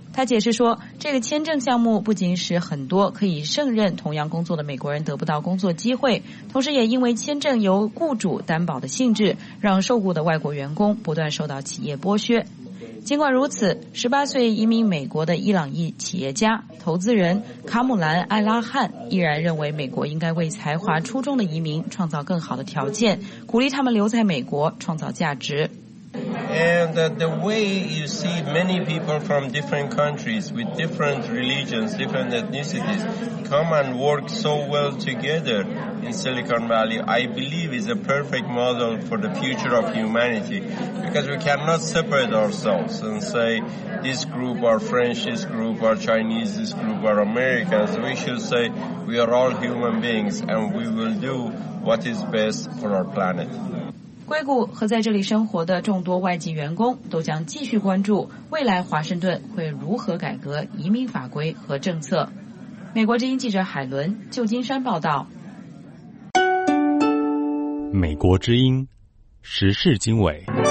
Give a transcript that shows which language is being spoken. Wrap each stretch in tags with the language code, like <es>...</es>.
<zh>他解释说，这个签证项目不仅使很多可以胜任同样工作的美国人得不到工作机会，同时也因为签证由雇主担保的性质，让受雇的外国员工不断受到企业剥削。尽管如此，18岁移民美国的伊朗裔企业家、投资人卡姆兰·艾拉汉依然认为美国应该为才华出众的移民创造更好的条件，鼓励他们留在美国创造价值。</zh> <en>And the way you see many people from different countries with different religions, different ethnicities come and work so well together in Silicon Valley, I believe is a perfect model for the future of humanity. Because we cannot separate ourselves and say this group are French, this group are Chinese, this group are Americans. We should say we are all human beings and we will do what is best for our planet.</en> <zh>硅谷和在这里生活的众多外籍员工都将继续关注未来华盛顿会如何改革移民法规和政策。美国之音记者海伦，旧金山报道。美国之音，时事经纬。</zh>